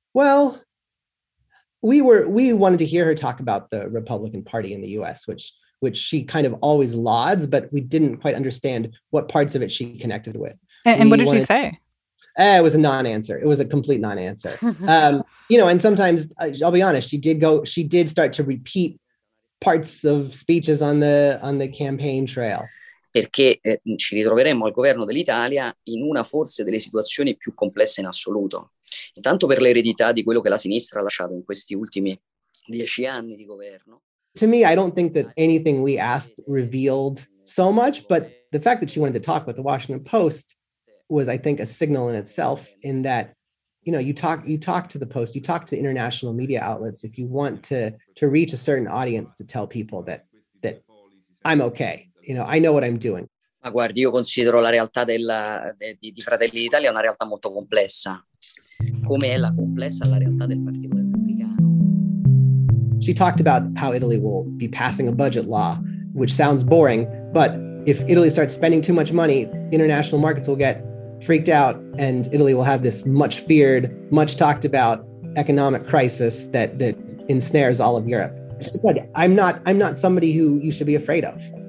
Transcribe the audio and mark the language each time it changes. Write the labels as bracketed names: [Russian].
[English] Well, we wanted to hear her talk about the Republican Party in the U.S., which she kind of always lauds, but we didn't quite understand what parts of it she connected with. And what did she say? It was a non-answer. It was a complete non-answer. You know, and sometimes, I'll be honest, she did start to repeat parts of speeches on the campaign trail. [Italian] Perché ci ritroveremmo al governo dell'Italia in una forse delle situazioni più complesse in assoluto. Intanto per l'eredità di quello che la sinistra ha lasciato in questi ultimi 10 anni di governo. [English] To me, I don't think that anything we asked revealed so much, but the fact that she wanted to talk with the Washington Post was, I think, a signal in itself in that, you know, you talk to the Post, you talk to international media outlets if you want to reach a certain audience to tell people that I'm okay. You know, I know what I'm doing. [Italian] Ma guardi, io considero la realtà di Fratelli d'Italia una realtà molto complessa. Come è la complessa la realtà del Partito Repubblicano? [English] She talked about how Italy will be passing a budget law, which sounds boring, but if Italy starts spending too much money, international markets will get freaked out and Italy will have this much feared, much talked about economic crisis that ensnares all of Europe. She said, I'm not somebody who you should be afraid of.